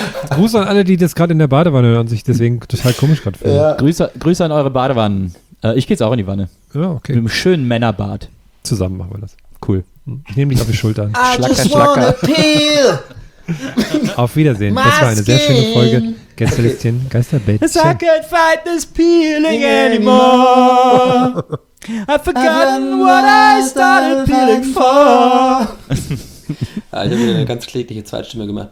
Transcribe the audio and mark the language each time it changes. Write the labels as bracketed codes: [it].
[de] Gruß an alle, die das gerade in der Badewanne hören und sich deswegen total komisch gerade fühlen. Ja. Grüße an eure Badewannen. Ich gehe jetzt auch in die Wanne. Ja, okay. Mit einem schönen Männerbad. Zusammen machen wir das. Cool. Ich nehme dich auf die Schulter. Schlacker, Schlacker. Auf Wiedersehen. Das war eine sehr schöne Folge. Gästelistchen, Geisterbällchen. [en] I can't fight this peeling anymore. I've forgotten what I started peeling for. [de] Ja, ich habe wieder eine ganz klägliche Zweitstimme gemacht.